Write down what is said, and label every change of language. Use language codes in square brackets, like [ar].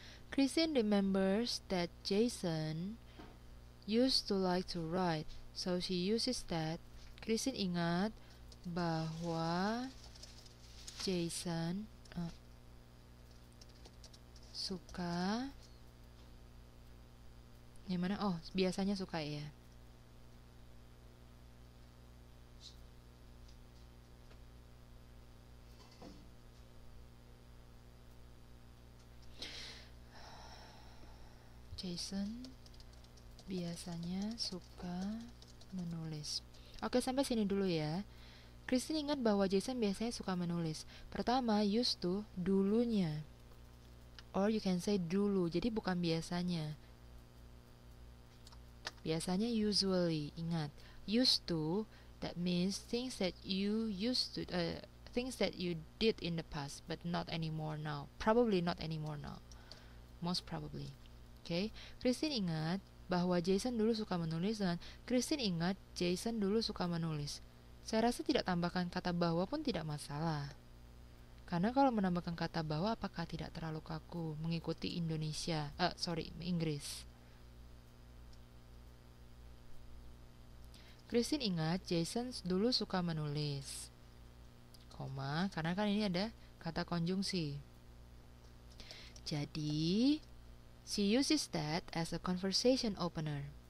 [en] Christine remembers that Jason used to like to write, so she uses that. [id] Christine ingat bahwa Jason suka, yang mana? Oh, biasanya suka ya. Jason biasanya suka menulis. Oke, sampai sini dulu ya. Kristen ingat bahwa Jason biasanya suka menulis. Pertama, used to, dulunya. [en] Or you can say [id] dulu, jadi bukan biasanya. Biasanya usually, ingat. [en] Used to, that means things that you used to, things that you did in the past, but not anymore now. Probably not anymore now. Most probably. Okay. [id] Kristen ingat bahwa Jason dulu suka menulis dan Kristen ingat Jason dulu suka menulis. Saya rasa tidak tambahkan kata bahwa pun tidak masalah. Karena kalau menambahkan kata bahwa, apakah tidak terlalu kaku mengikuti Indonesia? Inggris. Kristen ingat Jason dulu suka menulis. Koma, karena kan ini ada kata konjungsi. Jadi, [en] she uses that as a conversation opener.